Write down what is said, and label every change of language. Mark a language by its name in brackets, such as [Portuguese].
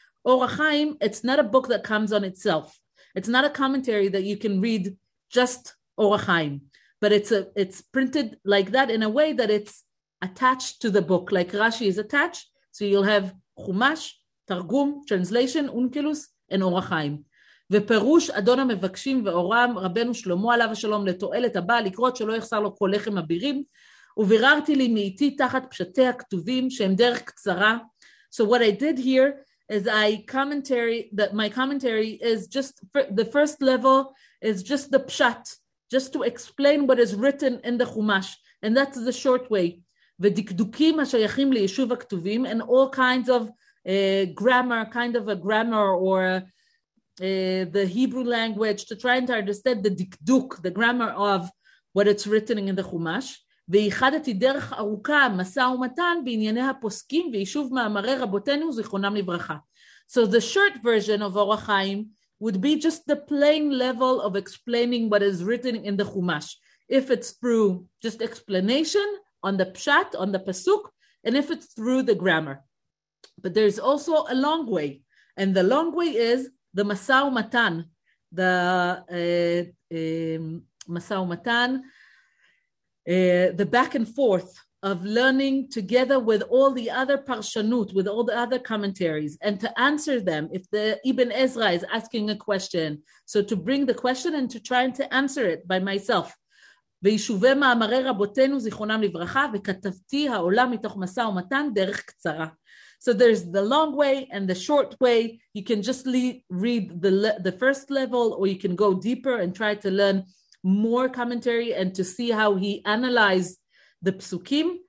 [English] Orach Chaim, it's not a book that comes on itself. It's not a commentary that you can read just Orach Chaim, but it's printed like that in a way that it's attached to the book, like Rashi is attached. So you'll have Chumash, Targum, translation, Unkelus, and Orach Chaim. [Hebrew] ופירוש אדון המבקשים ואורם רבנו שלמה עליו השלום לתועלת הבא לקרות שלא יחסר לו כל לחם אבירים וביררתי לי מאיתי תחת פשטי הכתובים שהם דרך קצרה. [English] So what I did here is I commentary that my commentary is just for the first level is just the pshat, just to explain what is written in the Chumash, and that's the short way. [Hebrew] ודקדוקים השייכים ליישוב הכתובים, [English] and all kinds of grammar, kind of a grammar or the Hebrew language, to try and to understand the dikduk, the grammar of what it's written in the Chumash. [Hebrew] וייחדתי דרך ארוכה, מסע ומתן, בענייני הפוסקים ויישוב מאמרי רבותינו, זיכרונם לברכה. [English] So the short version of Orach Chaim would be just the plain level of explaining what is written in the Chumash. If it's through just explanation on the pshat, on the pasuk, and if it's through the grammar. But there's also a long way, and the long way is the Masa Umatan, the Masa Umatan, the back and forth of learning together with all the other parshanut, with all the other commentaries, and to answer them. If the Ibn Ezra is asking a question, so to bring the question and to try and to answer it by myself. [Hebrew] ביישובי מאמרי רבותינו זיכרונם לברכה, וכתבתי העולם מתוך מסע ומתן דרך קצרה. [English] So there's the long way and the short way. You can just read the first level, or you can go deeper and try to learn more commentary and to see how he analyzed the psukim.